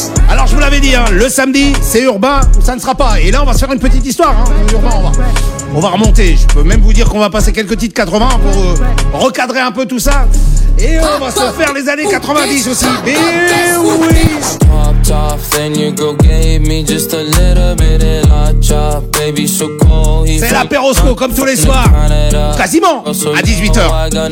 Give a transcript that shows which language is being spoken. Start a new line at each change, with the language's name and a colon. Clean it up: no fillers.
French: Alors je vous l'avais dit, hein, le samedi, c'est urbain ou ça ne sera pas. Et là, on va se faire une petite histoire. Hein, urbain, on va remonter. Je peux même vous dire qu'on va passer quelques titres 80 pour recadrer un peu tout ça. Et on va se faire les années 90 aussi. Mais oui.
English: Off, then your girl gave me just a little bit of a chop, baby, so cold.
French: C'est l'Ape'Rosco comme tous les soirs, quasiment à 18h.